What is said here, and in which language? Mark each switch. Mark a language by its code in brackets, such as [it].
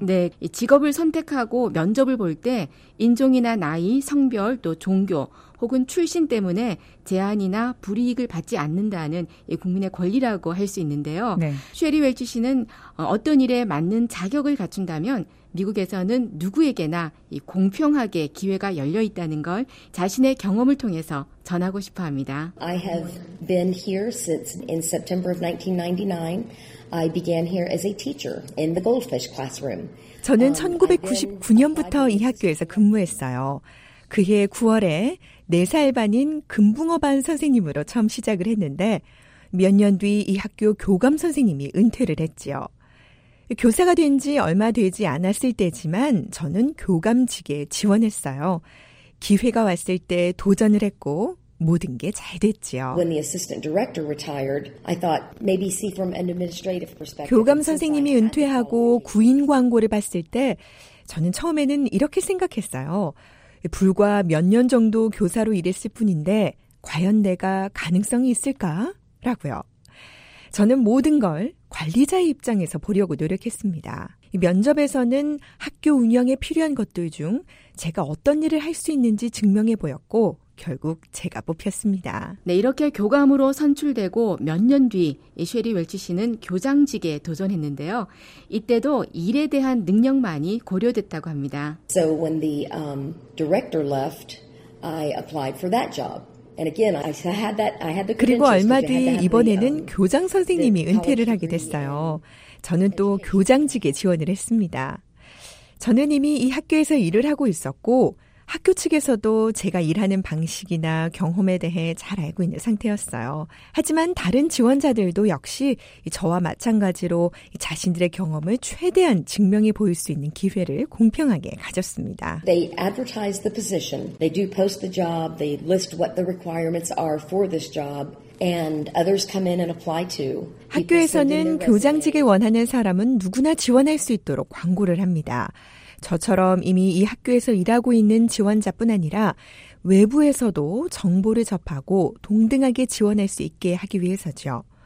[ko] 네, 직업을 선택하고 면접을 볼 때 인종이나 나이, 성별, 또 종교 혹은 출신 때문에 제한이나 불이익을 받지 않는다는 국민의 권리라고 할 수 있는데요. 네. 쉐리 웰치 씨는 어떤 일에 맞는 자격을 갖춘다면 미국에서는 누구에게나 공평하게 기회가 열려 있다는 걸 자신의 경험을 통해서 전하고 싶어 합니다. [en] I have been here since in September of 1999. I began here as a teacher in the Goldfish classroom. [ko] 저는 1999년부터 이 학교에서 근무했어요. 그해 9월에 4살 반인 금붕어반 선생님으로 처음 시작을 했는데 몇 년 뒤 이 학교 교감 선생님이 은퇴를 했지요. 교사가 된 지 얼마 되지 않았을 때지만 저는 교감직에 지원했어요. 기회가 왔을 때 도전을 했고 모든 게 잘 됐지요. [en] When the assistant director retired, I thought maybe see from an administrative perspective. [ko] 교감 선생님이 은퇴하고 구인 광고를 봤을 때 저는 처음에는 이렇게 생각했어요. 불과 몇 년 정도 교사로 일했을 뿐인데 과연 내가 가능성이 있을까라고요. 저는 모든 걸 관리자의 입장에서 보려고 노력했습니다. 면접에서는 학교 운영에 필요한 것들 중 제가 어떤 일을 할 수 있는지 증명해 보였고 결국 제가 뽑혔습니다. 네, 이렇게 교감으로 선출되고 몇 년 뒤 쉐리 웰치 씨는 교장직에 도전했는데요. 이때도 일에 대한 능력만이 고려됐다고 합니다. [en] So when the director left, I applied for that job. And again, I had that. I had the. [ko] 그리고 얼마 뒤 이번에는 교장 선생님이 은퇴를 하게 됐어요. 저는 또 교장직에 지원을 했습니다. 저는 이미 이 학교에서 일을 하고 있었고. 학교 측에서도 제가 일하는 방식이나 경험에 대해 잘 알고 있는 상태였어요. 하지만 다른 지원자들도 역시 저와 마찬가지로 자신들의 경험을 최대한 증명해 보일 수 있는 기회를 공평하게 가졌습니다. [en] They advertise the position. They do post the job. They list what the requirements are for this job. And others come in and apply too. [ko] 학교에서는 교장직을 원하는 사람은 누구나 지원할 수 있도록 광고를 합니다. 저처럼 이미 이 학교에서 일하고 있는 지원자뿐 아니라 외부에서도 정보를 접하고 동등하게 지원할 수 있게 하기 위해서죠.